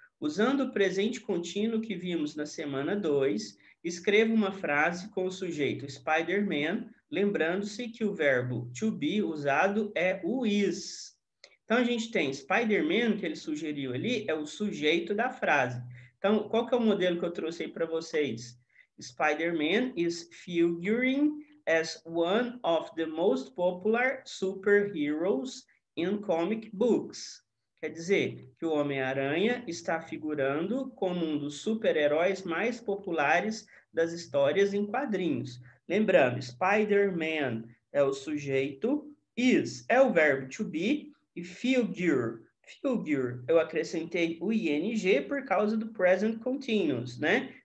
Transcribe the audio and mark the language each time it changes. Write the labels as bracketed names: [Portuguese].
[Portuguese] Usando o presente contínuo que vimos na semana 2, escreva uma frase com o sujeito Spider-Man, lembrando-se que o verbo to be usado é o is. Então, a gente tem Spider-Man, que ele sugeriu ali, é o sujeito da frase. Então, qual que é o modelo que eu trouxe aí para vocês? [English] Spider-Man is figuring as one of the most popular superheroes in comic books. [Portuguese] Quer dizer, que o Homem-Aranha está figurando como um dos super-heróis mais populares das histórias em quadrinhos. Lembrando, Spider-Man é o sujeito, is é o verbo to be, e figure, eu acrescentei o ing por causa do present continuous, né?